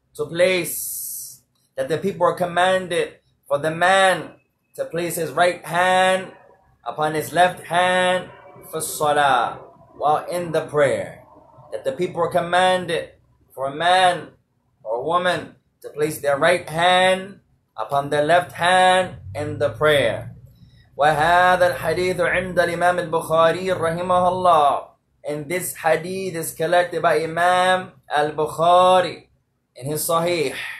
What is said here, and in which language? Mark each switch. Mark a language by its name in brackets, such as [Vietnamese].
[English] That the people were commanded for the man to place his right hand upon his left hand for salah, while in the prayer. That the people were commanded for a man or a woman to place their right hand upon their left hand in the prayer. [Arabic] وهذا الحديث عند الإمام البخاري رحمه الله. [English] And this hadith is collected by Imam al-Bukhari in his Sahih.